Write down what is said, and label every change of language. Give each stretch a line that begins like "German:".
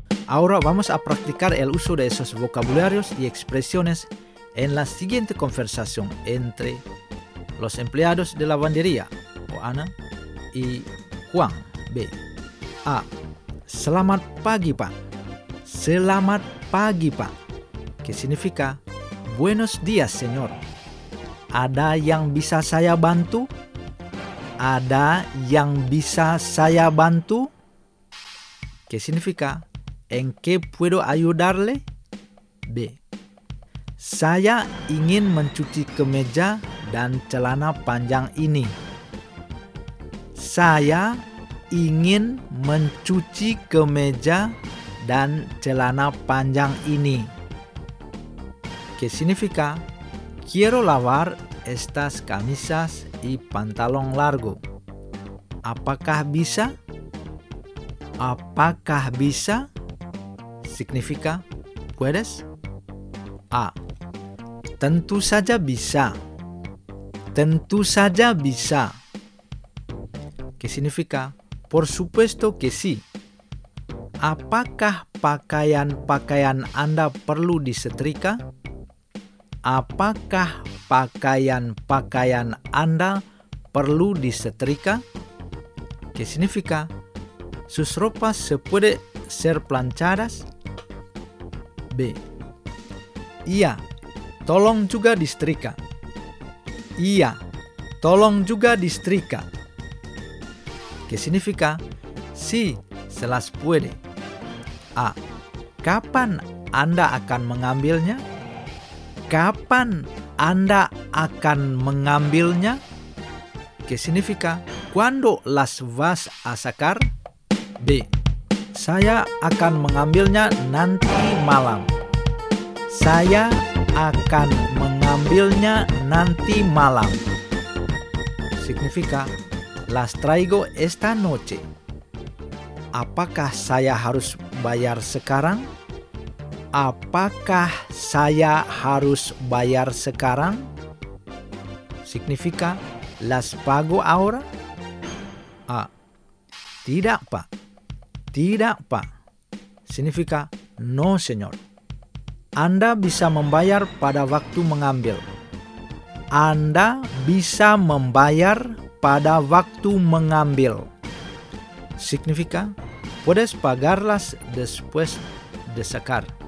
Spanish: Ahora vamos a practicar el uso de esos vocabularios y expresiones en la siguiente conversación entre los empleados de la lavandería, o Ana, y Juan B. A.
Indonesian: Selamat pagi, Pak. Selamat pagi, Pak.
Spanish: Que significa buenos días, señor.
Indonesian: ¿Ada yang bisa saya bantu? ¿Ada yang bisa saya bantu?
Spanish: Que significa ¿en qué puedo ayudarle? B.
Indonesian: Saya ingin mencuci kemeja dan celana panjang ini. Saya ingin mencuci kemeja dan celana panjang ini.
Spanish: Que significa quiero lavar estas camisas y pantalón largo.
Indonesian: Apakah bisa? Apakah bisa?
Spanish: Significa puedes? A.
Indonesian: Tentu saja bisa. Tentu saja bisa.
Spanish: Que significa por supuesto que sí.
Indonesian: Apakah pakaian-pakaian Anda perlu disetrika? Apakah pakaian-pakaian Anda perlu disetrika?
Spanish: Que significa sus ropas se puede ser planchadas? B.
Indonesian: Iya, tolong juga disetrika. Iya, tolong juga disetrika.
Spanish: Que significa sí, se las puede. A.
Indonesian: Kapan Anda akan mengambilnya? Kapan Anda akan mengambilnya?
Spanish: Que significa cuando las vas a sacar? B.
Indonesian: Saya akan mengambilnya nanti malam. Saya akan mengambilnya nanti malam.
Spanish: Significa las traigo esta noche.
Indonesian: Apakah saya harus bayar sekarang? Apakah saya harus bayar sekarang?
Spanish: Significa las pago ahora? A.
Indonesian: Tidak, Pak. Tidak, Pak.
Spanish: Significa no, señor.
Indonesian: Anda bisa membayar pada waktu mengambil. Anda bisa membayar pada waktu mengambil.
Spanish: significa puedes pagarlas después de sacar.